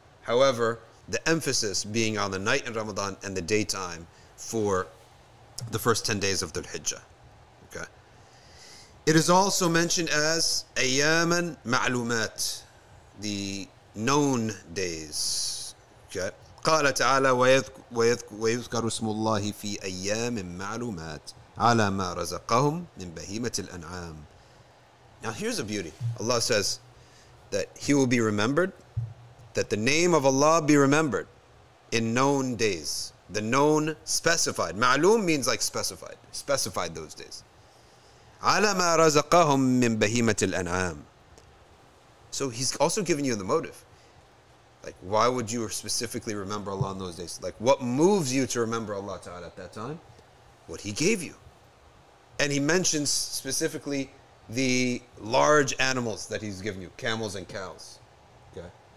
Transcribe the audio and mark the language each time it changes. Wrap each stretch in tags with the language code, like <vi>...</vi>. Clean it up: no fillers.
<en>However, the emphasis being on the night in Ramadan and the daytime for the first 10 days of Dhul Hijjah. Okay, it is also mentioned as Ayyaman Ma'lumat, the known days. Okay.</en> <ar>قال تعالى ويذكروا اسم الله في أيام معلومات على ما رزقهم من بهيمة الأنعام.</ar> <en>Now here's a beauty. Allah says that He will be remembered, that the name of Allah be remembered in known days. The known specified. معلوم means like specified. Specified those days.</en> <ar>على ما رزقهم من بهيمة الأنعام.</ar> <en>So He's also giving you the motive. Like, why would you specifically remember Allah on those days? Like, what moves you to remember Allah Ta'ala at that time? What He gave you. And He mentions specifically the large animals that He's given you, camels and cows. Okay?</en>